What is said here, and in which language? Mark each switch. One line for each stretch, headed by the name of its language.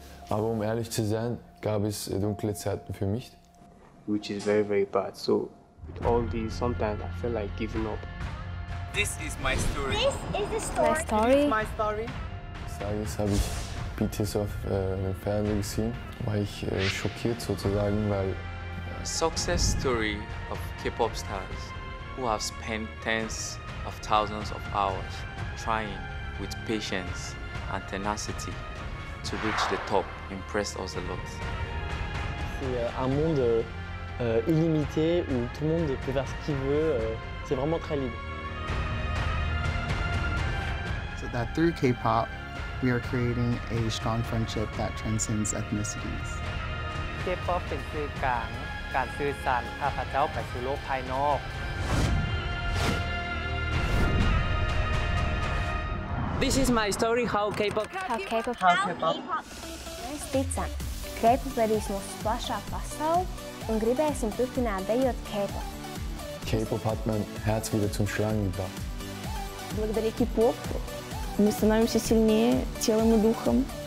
German: Aber um ehrlich zu sein, gab es dunkle Zeiten für mich.
English: Which is very, very bad. So, with all these, sometimes I feel like giving up. This is my story. This is the story. My story. This is my story.
German: Sag es, habe ich BTS auf dem Fernsehen gesehen, war ich schockiert sozusagen, weil...
English: A success story of K-pop stars who have spent tens of thousands of hours trying with patience and tenacity to reach the top impressed us a lot.
French: C'est un monde illimité où tout le monde peut faire ce qu'il veut. C'est vraiment très libre.
English: So that through K-pop, we are creating a strong friendship that transcends ethnicities. K-pop is the gang. This is my story, how K-pop... How K-pop... How K-pop...
Latvian: Mēs ticam, K-pop vedīs mūs plašā pasauli un gribēsim turpināt dejot K-pop.
German: K-pop hat man herz wieder zum Schlagen gebracht.
Russian: Благодаря K-popu, мы становимся сильнее телом и духом.